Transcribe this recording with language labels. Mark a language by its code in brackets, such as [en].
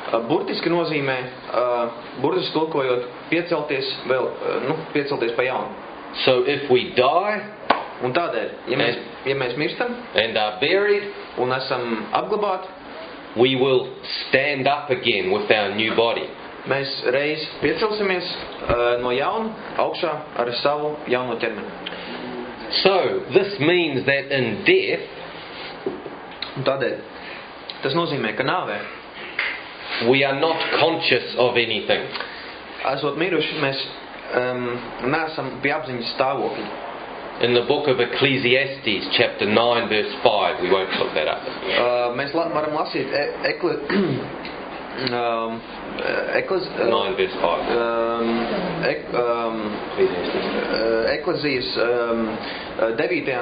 [lv] Burtiski nozīmē burtiski tulkojot piecelties vēl, piecelties pa jaunu. [en] So if we die, [lv] un tādēļ, ja mēs mirstam [en] and are buried, [lv] un esam apglabāti, [en] we will stand up again with our new body. [lv] Mēs reiz piecelsimies no jauna augšā ar savu jauno ķermeni. [en] So, this means that in death, [lv] tādēļ, tas nozīmē, ka nāvē, [en] we are not conscious of anything. [lv] Esot miruši, mēs neesam pie apziņas stāvokļa. [en] In the book of Ecclesiastes, chapter 9, verse 5, we won't put that up. [lv] Mēs varam lasīt Eklezijas 9.